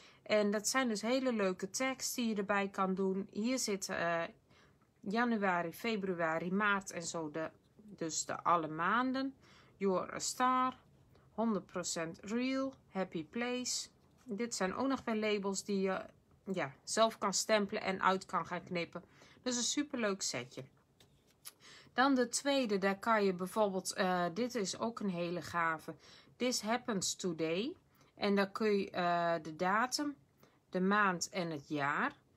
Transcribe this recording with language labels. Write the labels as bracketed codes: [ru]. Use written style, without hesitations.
[nl] En dat zijn dus hele leuke tags die je erbij kan doen. Hier zitten januari, februari, maart en zo dus de alle maanden. [en] You're a star, 100% real, happy place. [nl] Dit zijn ook nog wel labels die je zelf kan stempelen en uit kan gaan knippen. Dus een superleuk setje. Dan de tweede, daar kan je bijvoorbeeld, dit is ook een hele gave. [en] This happens today. [nl] En daar kun je de datum, de maand en het jaar.